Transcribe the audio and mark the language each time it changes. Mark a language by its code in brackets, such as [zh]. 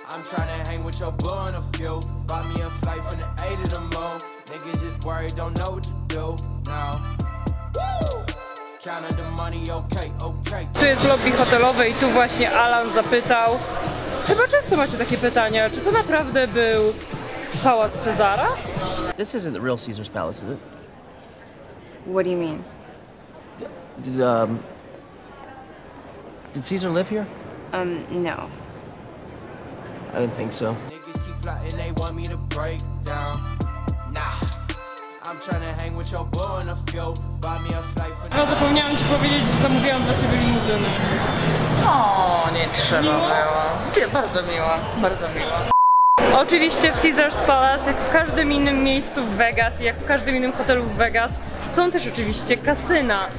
[en] Tryna hang with your boy on a few. Buy me a flight from the 8 of the moon. Niggas is worried, don't know what to do now. Counting the money, okay, okay. [pl] Tu jest lobby hotelowe i tu właśnie Alan zapytał. Chyba często macie takie pytania, czy to naprawdę był Pałac Cezara? [en] This isn't the real Caesar's Palace, is it? What do you mean? Did Caesar live here? No. I didn't think so. Niggas keep plotting, they want me to break down. Nah, I'm trying to hang with your boy on a few. Buy me a flight for now. [pl] Zapomniałam Ci powiedzieć, że zamówiłam dla Ciebie limuzynę. O, nie trzeba było. Bardzo miło, bardzo miło. Oczywiście w Caesars Palace, jak w każdym innym miejscu w Vegas, jak w każdym innym hotelu w Vegas, są też oczywiście kasyna.